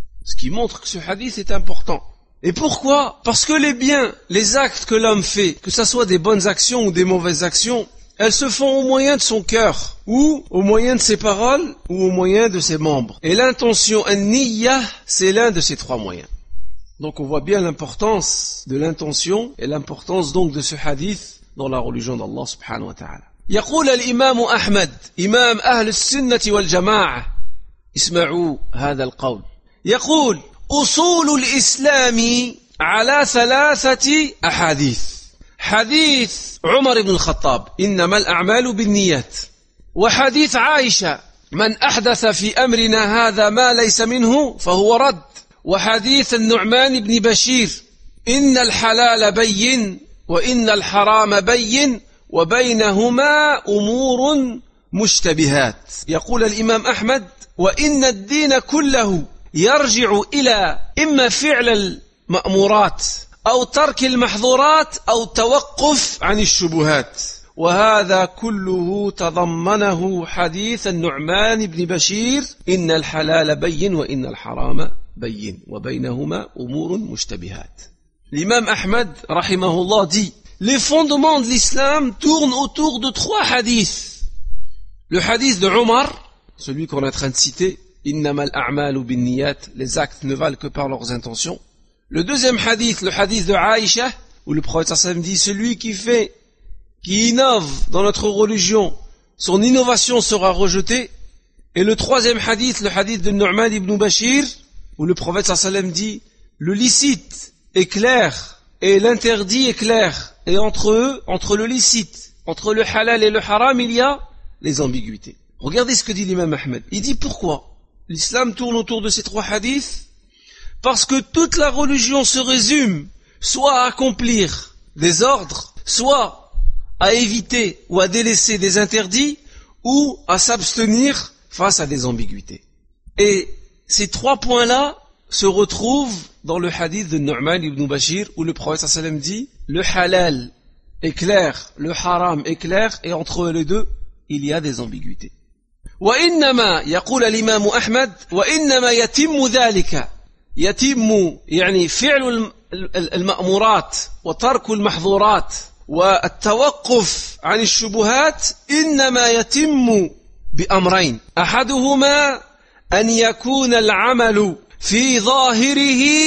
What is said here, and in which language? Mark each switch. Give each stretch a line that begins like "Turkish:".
French: Ce qui montre que ce hadith est important. Et pourquoi? Parce que les biens, les actes que l'homme fait, que ce soit des bonnes actions ou des mauvaises actions, elles se font au moyen de son cœur, ou au moyen de ses paroles, ou au moyen de ses membres. Et l'intention, an-niyya, c'est l'un de ces trois moyens. Donc on voit bien l'importance de l'intention, et l'importance donc de ce hadith dans la religion d'Allah subhanahu wa ta'ala.
Arabic: يقول الإمام أحمد إمام أهل السنة والجماعة اسمعوا هذا القول. يقول أصول الإسلام على ثلاثة أحاديث: حديث عمر بن الخطاب إنما الأعمال بالنيات، وحديث عائشة من أحدث في أمرنا هذا ما ليس منه فهو رد، وحديث النعمان بن بشير إن الحلال بين وإن الحرام بين وبينهما أمور مشتبهات. يقول الإمام أحمد وإن الدين كله يرجع إلى إما فعل المأمورات أو ترك المحظورات أو توقف عن الشبهات، وهذا كله تضمنه حديث النعمان بن بشير إن الحلال بين وإن الحرام بين وبينهما أمور مشتبهات. الإمام أحمد رحمه الله دي
French: les fondements de l'islam tournent autour de trois hadiths. Le hadith de Omar, celui qu'on est en train de citer,
Arabic: إنما الأعمال بالنيات,
French: les actes ne valent que par leurs intentions. Le deuxième hadith, le hadith de Aïcha, où le prophète sallam dit celui qui innove dans notre religion, son innovation sera rejetée. Et le troisième hadith, le hadith de Nu'man ibn Bashir, où le prophète sallam dit le licite est clair et l'interdit est clair, et entre eux, entre le licite, entre le halal et le haram, il y a les ambiguïtés. Regardez ce que dit l'imam Ahmed. Il dit pourquoi l'islam tourne autour de ces trois hadiths? Parce que toute la religion se résume soit à accomplir des ordres, soit à éviter ou à délaisser des interdits ou à s'abstenir face à des ambiguïtés. Et ces trois points-là se retrouvent dans le hadith de Nu'man ibn Bashir où le prophète sallam dit « Le halal est clair, le haram est clair et entre les deux, il y a des ambiguïtés. »
Arabic: وإنما يقول الإمام أحمد وإنما يتم ذلك يتم يعني فعل المأمورات وترك المحظورات والتوقف عن الشبهات إنما يتم بأمرين أحدهما أن يكون العمل في ظاهره